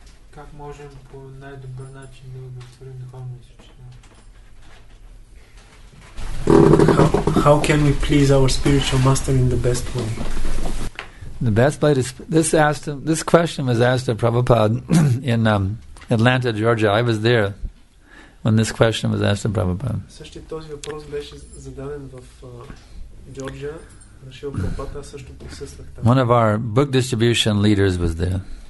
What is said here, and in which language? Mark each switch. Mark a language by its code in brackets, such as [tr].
[bg] Как можем по най-добър начин да удовлетворим духовно изучение? [en] How can we please our spiritual master in the best way? The best way is this asked him, this question was asked of Prabhupada in Atlanta, Georgia. I was there when this question was asked of Prabhupada. [bg] Същия този въпрос беше зададен в Джорджия. Нашия Прабхупада също присъствах там. [en] One of our book distribution leaders was there.